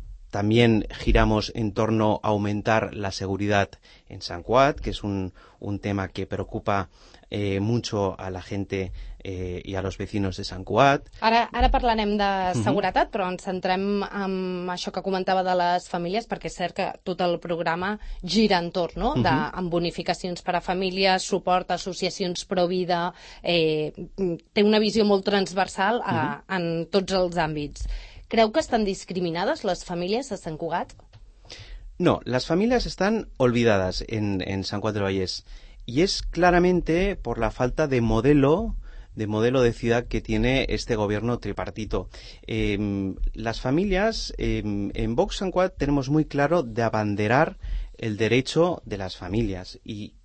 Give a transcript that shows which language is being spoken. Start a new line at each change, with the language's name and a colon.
Spanish: También giramos en torno a aumentar la seguridad en Sant Cugat, que es un tema que preocupa mucho a la gente y a los vecinos de Sant Cugat.
Catalan: Ara parlarem de seguretat, però ens centrem en això que comentava de les famílies, perquè és cert que tot el programa gira en torn, no? Amb bonificacions per a famílies, suport a associacions pro-vida, té una visió molt transversal en tots els àmbits.
Spanish: ¿Creu que están discriminadas las familias de Sant Cugat? No, las familias están olvidadas en Sant Cugat del Vallès. Y es claramente por la falta de modelo de ciudad que tiene este gobierno tripartito. Las familias, en Vox Sant Cugat tenemos muy claro de abanderar el derecho de las familias. Y